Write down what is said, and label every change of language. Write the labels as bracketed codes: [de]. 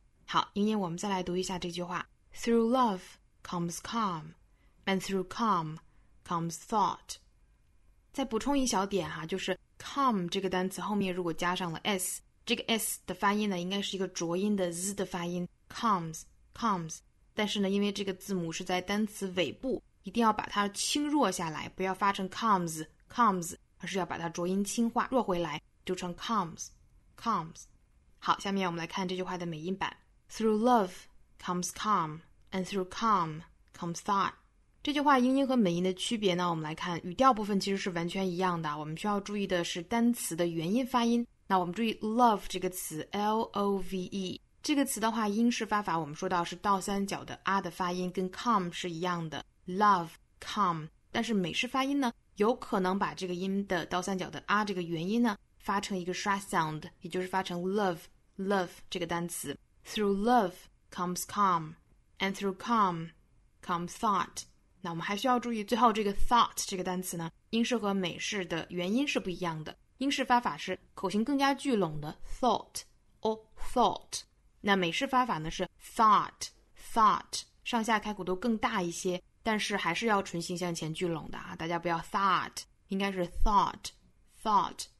[zh] 好，英英，我们再来读一下这句话。 [en] Through love comes calm, and through calm comes thought. [zh] 再补充一小点哈，就是 calm 这个单词后面如果加上了 s， 这个 s 的发音呢，应该是一个浊音的 z 的发音 ，comes。但是呢，因为这个字母是在单词尾部，一定要把它轻弱下来，不要发成 comes， 而是要把它浊音轻化，弱回来，读成 comes。好，下面我们来看这句话的美音版。 [en] Through love comes calm, and through calm comes thought. [zh] 这句话英音和美音的区别呢，我们来看，语调部分其实是完全一样的，我们需要注意的是单词的元音发音。那我们注意 love 这个词 ,L-O-V-E。这个词的话，英式发法我们说到是倒三角的 r 的发音，跟 come 是一样的 ，love come。但是美式发音呢，有可能把这个音的倒三角的 r 这个元音呢，发发成一个 schwa sound， 也就是发成 love， love 这个单词。 [en] Through love comes calm， and through calm comes thought。 [zh] 那我们还需要注意最后这个 thought 这个单词呢，英式和美式的元音是不一样的。英式发法是口型更加聚拢的 thought， or thought。那美式发法呢是 thought， thought， 上下开口都更大一些，但是还是要唇形向前聚拢的啊，大家不要 thought， 应该是 thought， thought。